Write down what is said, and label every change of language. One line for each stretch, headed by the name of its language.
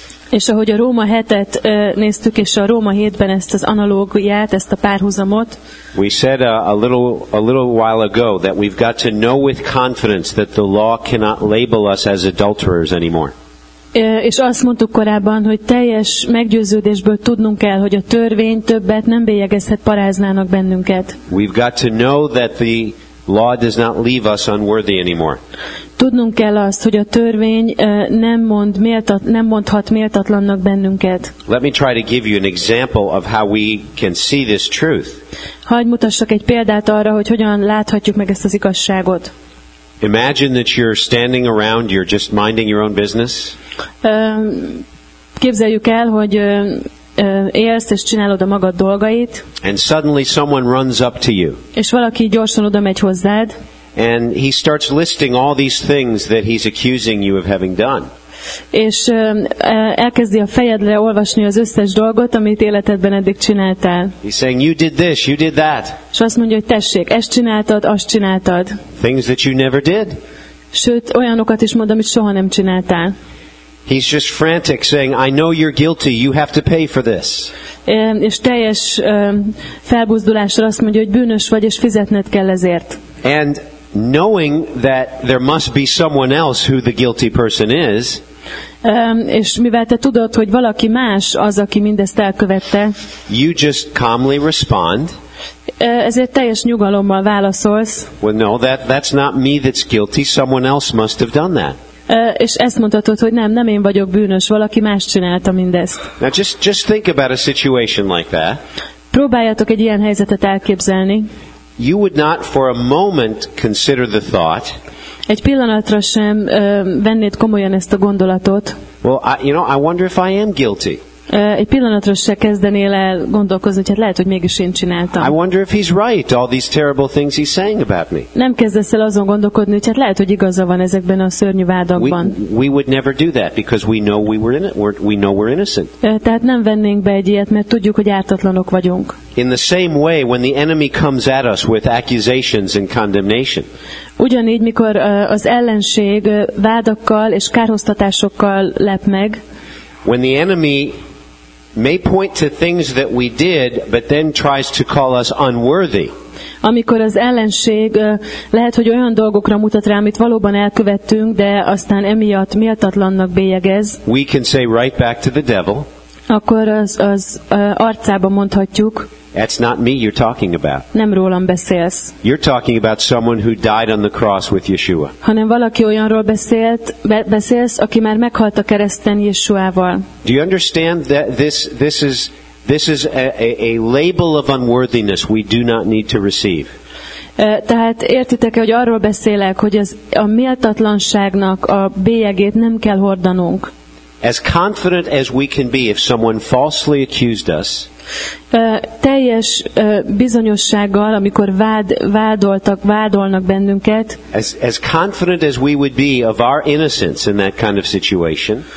Hungarian: És ahogy a Róma 7-et néztük, és a Róma 7-ben ezt az analógiát, ezt a párhuzamot.
English: We said a little while ago that we've got to know with confidence that the law cannot label us as adulterers anymore.
Hungarian: És azt mondtuk korábban, hogy teljes meggyőződésből tudnunk kell, hogy a törvény többet nem bélyegezhet paráznának bennünket.
English: We've got to know that the law does not leave us unworthy anymore.
Hungarian: Tudnunk kell azt, hogy a törvény nem mondhat méltatlannak bennünket.
English: Let me try to give you an example of how we can see this truth.
Hungarian: Hadd mutassak egy példát arra, hogy hogyan láthatjuk meg ezt az igazságot.
English: Imagine that you're standing around, you're just minding your own business.
Hungarian: Képzeljük el, hogy élsz és csinálod a magad dolgait.
English: And suddenly someone runs up to you.
Hungarian: És valaki gyorsan oda megy hozzád.
English: And he starts listing all these things that he's accusing you of having done.
Hungarian: És elkezdi a fejedre olvasni az összes dolgot, amit életedben eddig csináltál.
English: He's saying, you did this, you did that.
Hungarian: És azt mondja, hogy tessék, ezt csináltad, azt csináltad.
English: Things that you never did.
Hungarian: Sőt, olyanokat is mond, amit soha nem csináltál.
English: He's just frantic, saying, I know you're guilty, you have to pay for this.
Hungarian: És teljes felbuzdulással azt mondja, hogy bűnös vagy, és fizetned kell ezért.
English: And knowing that there must be someone else who the guilty person is,
Hungarian: és mivel te tudod, hogy valaki más az, aki mindezt elkövette,
English: you just calmly respond.
Hungarian: Ezért teljes nyugalommal válaszolsz.
English: Well, no, that's not me that's guilty. Someone else must have done that.
Hungarian: És ezt mondhatod, hogy nem én vagyok bűnös, valaki más csinálta mindezt.
English: Now just think about a situation like that.
Hungarian: Próbáljátok egy ilyen helyzetet elképzelni.
English: You would not for a moment consider the thought.
Hungarian: Egy pillanatra sem vennéd komolyan ezt a gondolatot.
English: Well, I wonder if I am guilty.
Hungarian: Egy pillanatra se kezdenél el gondolkozni, hogy hát lehet, hogy mégis én csináltam.
English: I wonder if he's right, all these terrible things he's saying about me.
Hungarian: Nem kezdesz el azon gondolkodni, hogy hát lehet, hogy igaza van ezekben a szörnyű vádakban.
English: We would never do that because we know we're innocent.
Hungarian: Tehát nem vennénk be egy ilyet, mert tudjuk, hogy ártatlanok vagyunk.
English: In the same way, when the enemy comes at us with accusations and condemnation.
Hungarian: Ugyanígy, mikor az ellenség vádakkal és kárhoztatásokkal lep meg.
English: When the enemy may point to things that we did, but then tries to call us unworthy.
Hungarian: Amikor az ellenség lehet, hogy olyan dolgokra mutat rá, amit valóban elkövettünk, de aztán emiatt méltatlannak bélyegez.
English: We can say right back to the devil.
Hungarian: Akkor az arcába mondhatjuk.
English: That's not me you're talking about.
Hungarian: Nem rólam beszélsz.
English: You're talking about someone who died on the cross with Yeshua.
Hungarian: Hanem valaki olyanról beszélsz, aki már meghalt a kereszten Yeshuával.
English: Do you understand that this is a label of unworthiness we do not need to receive?
Hungarian: Tehát értitek-e, hogy arról beszélek, hogy az a méltatlanságnak a bélyegét nem kell hordanunk.
English: As confident as we can be if someone falsely accused us.
Hungarian: Teljes bizonyossággal, amikor vádolnak bennünket.
English: As confident as we would be of our innocence in that kind of situation.